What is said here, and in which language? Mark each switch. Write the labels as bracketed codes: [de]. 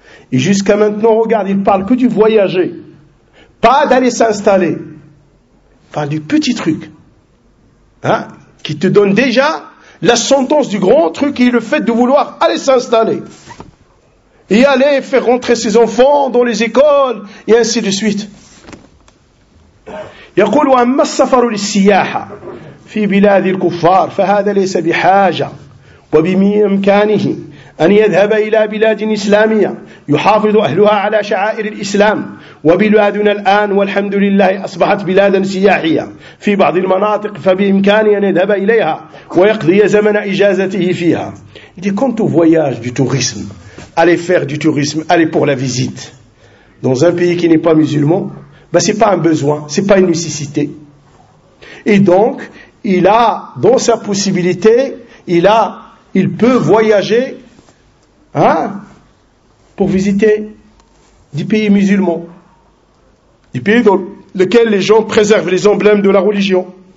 [fr] Et jusqu'à maintenant, regarde, il parle que du voyager. Pas d'aller s'installer. Il parle du petit truc. Hein, qui te donne déjà la sentence du grand truc et le fait de vouloir aller s'installer et aller faire rentrer ses enfants dans les écoles et ainsi de suite. [ar] يقول وأما السفر للسياحة في بلاد الكفار فهذا ليس بحاجة وبإمكانه أن يذهب إلى بلاد إسلامية يحافظ أهلها على شعائر الإسلام. وبلادنا الآن والحمد لله أصبحت بلادا سياحية في بعض المناطق، فبإمكاني أن يذهب إليها ويقضي زمن إجازته فيها. كنت [fr] voyage du tourisme, aller faire du tourisme, aller pour la visite dans un pays qui n'est pas musulman, ben c'est pas un besoin, c'est pas une nécessité. Et donc il a dans sa possibilité, il peut voyager, hein, pour visiter des pays musulmans, des pays dans lesquels les gens préservent les emblèmes de la religion.